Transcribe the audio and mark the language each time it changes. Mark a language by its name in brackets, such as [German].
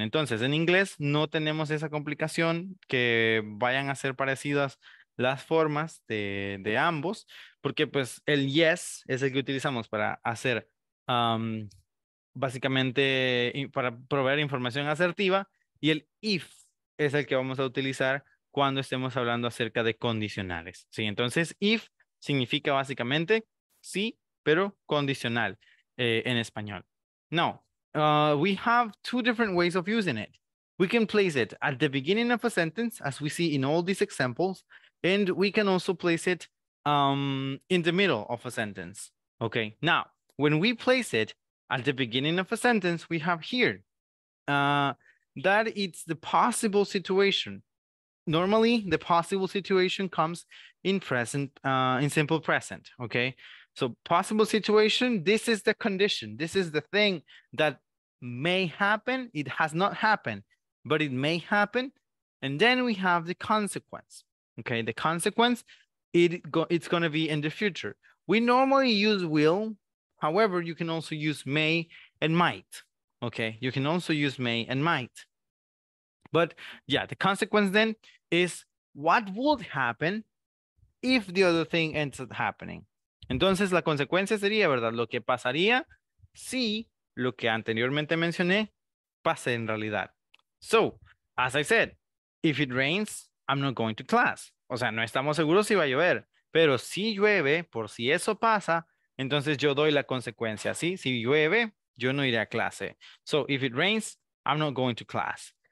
[Spanish] Entonces, en inglés no tenemos esa complicación que vayan a ser parecidas las formas de ambos, porque pues el yes es el que utilizamos para hacer, básicamente, para proveer información asertiva, y el if es el que vamos a utilizar cuando estemos hablando acerca de condicionales, ¿sí? Entonces, if significa básicamente sí, pero condicional en español. [English] Now, we have two different ways of using it. We can place it at the beginning of a sentence, as we see in all these examples, and we can also place it in the middle of a sentence, okay? Now, when we place it at the beginning of a sentence, we have here, that it's the possible situation. Normally, the possible situation comes in present, in simple present, okay? So possible situation, this is the condition. This is the thing that may happen. It has not happened, but it may happen. And then we have the consequence, okay? The consequence, it's going to be in the future. We normally use will. However, you can also use may and might, okay? You can also use may and might. But yeah, the consequence then is what would happen if the other thing ends up happening. [Spanish] Entonces, la consecuencia sería, ¿verdad? Lo que pasaría si lo que anteriormente mencioné pase en realidad. [English] So, as I said, if it rains, I'm not going to class. [Spanish] O sea, no estamos seguros si va a llover. Pero si llueve, por si eso pasa, entonces yo doy la consecuencia, ¿sí? Si llueve, yo no iré a clase. [English] So, if it rains, I'm not going to class.